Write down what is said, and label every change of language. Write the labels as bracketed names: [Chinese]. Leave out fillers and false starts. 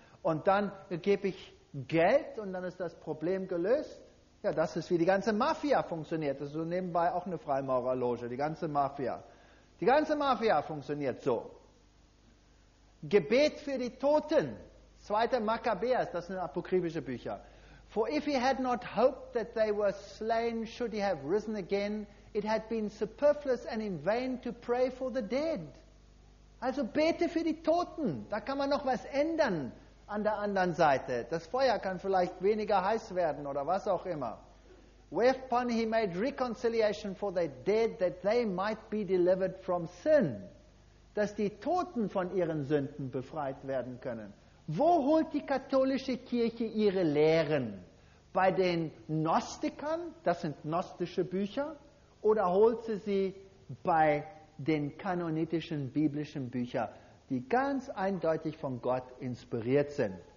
[German] Und dann gebe ich Geld und dann ist das Problem gelöst. Ja, das ist wie die ganze Mafia funktioniert. Das ist so nebenbei auch eine Freimaurerloge, die ganze Mafia. Die ganze Mafia funktioniert so. Gebet für die Toten. 2. Makkabäer, das sind apokryphische Bücher. [English] For if he had not hoped that they were slain, should he have risen again, it had been superfluous and in vain to pray for the dead. [German] Also bete für die Toten. Da kann man noch was ändern an der anderen Seite. Das Feuer kann vielleicht weniger heiß werden oder was auch immer. [English] Whereupon he made reconciliation for the dead that they might be delivered from sin. [German] Dass die Toten von ihren Sünden befreit werden können. Wo holt die katholische Kirche ihre Lehren? Bei den Gnostikern? Das sind gnostische Bücher. Oder holt sie sie bei den kanonitischen biblischen Büchern, die ganz eindeutig von Gott inspiriert sind?